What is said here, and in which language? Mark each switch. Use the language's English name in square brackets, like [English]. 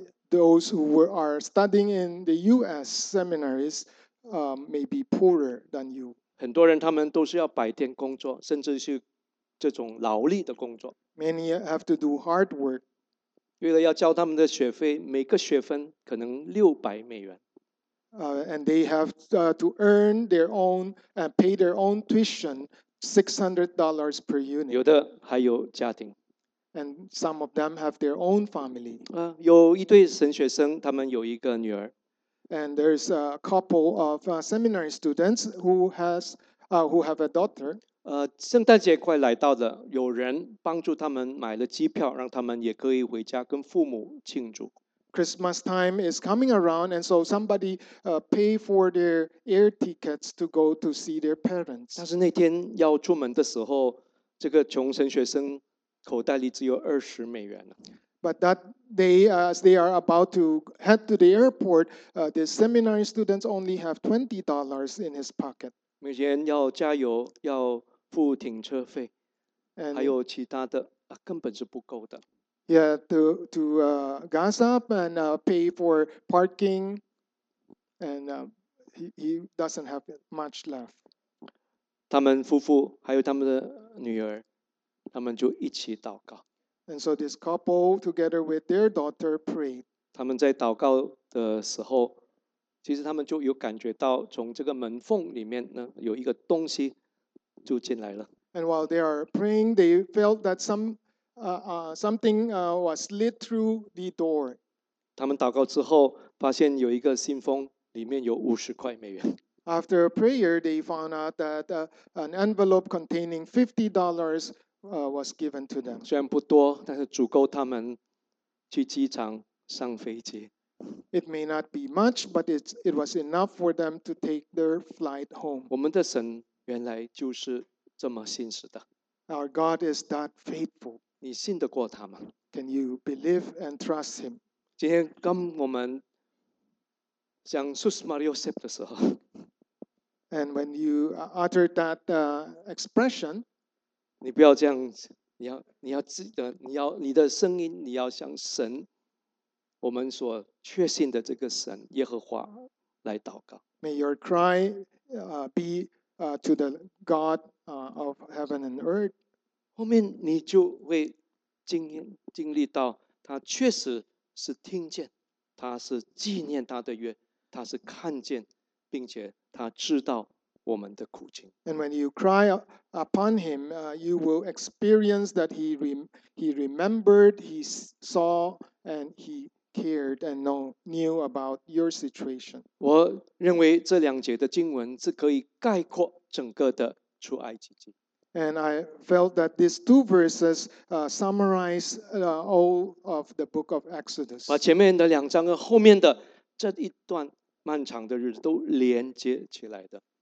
[English] Those who are studying in the U.S. seminaries may be poorer than you. [Chinese] 很多人他们都是要白天工作，甚至是这种劳力的工作。 [English] Many have to do hard work. [Chinese] 为了要交他们的学费，每个学分可能600美元。 [English] And they have to earn their own and pay their own tuition, $600 per unit. [Chinese] 有的还有家庭。 [English] And some of them have their own family. [Chinese] 有一对神学生，他们有一个女儿。 [English] And there's a couple of seminary students who have a daughter. [Chinese] 圣诞节快来到了，有人帮助他们买了机票，让他们也可以回家跟父母庆祝。 [English] Christmas time is coming around, and so somebody pay for their air tickets to go to see their parents. [Chinese] 但是那天要出门的时候，这个穷神学生口袋里只有20美元了。 [English] But that day, as they are about to head to the airport, the seminary students only have $20 in his pocket. [Chinese] 每天要加油，要付停车费， and、还有其他的、根本是不够的。 [English] Yeah, to gas up and pay for parking, and he doesn't have much left. [Chinese] 他们夫妇还有他们的女儿。他们就一起祷告。 [English] And so this couple, together with their daughter, prayed. [Chinese] 他们在祷告的时候，其实他们就有感觉到从这个门缝里面呢，有一个东西就进来了。 [English] And while they are praying, they felt that something was slid through the door. [Chinese] 他们祷告之后，发现有一个信封，里面有50块美元。 [English] After a prayer, they found out that an envelope containing $50was given to them. [Chinese] 虽然不多，但是足够他们去机场上飞机。 [English] It may not be much, but it was enough for them to take their flight home. [Chinese] 我们的神原来就是这么信实的。 [English] Our God is that faithful. [Chinese] 你信得过他吗？ [English] Can you believe and trust him? [Chinese] 今天跟我们讲 Susmariosep 的时候， [English] and when you uttered that expression. [Chinese] 你不要这样，你要记得，你的声音，你要向神，我们所确信的这个神耶和华来祷告。 [English] May your cry be to the God of heaven and earth. [Chinese] 后面你就会经历到，他确实是听见，他是纪念他的约，他是看见，并且他知道。我们的苦情。 [English] And when you cry upon him, you will experience that he remembered, he saw, and he cared and knew about your situation. [Chinese] 我认为这两节的经文是可以概括整个的出埃及记。 [English] And I felt that these two verses summarize all of the book of Exodus. [Chinese] 把前面的两章和后面的这一段漫长的日子都连接起来的。